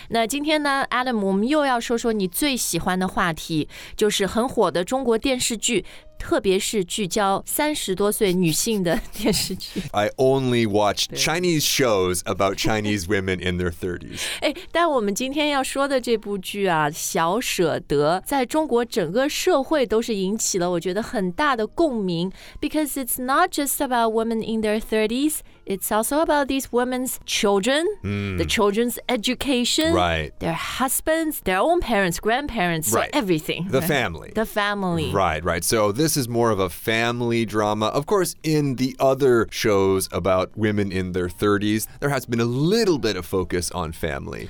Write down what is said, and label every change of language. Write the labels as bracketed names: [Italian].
[Chinese] 那今天呢 Adam， 我们又要说说你最喜欢的话题，就是很火的中国电视剧，特别是聚焦30多岁女性的电视剧。 [English] I only watch Chinese shows about Chinese women in their 30s. [Chinese] 哎，但我们今天要说的这部剧啊，《小舍得》，在中国整个社会都是引起了我觉得很大的共鸣。 [English] Because it's not just about women in their 30s. It's also about these women's children,、the children's education,、 right. their husbands, their own parents, grandparents,、 right. so、everything. The family. The family. Right, right. So this is more of a family drama. Of course, in the other shows about women in their 30s, there has been a little bit of focus on family.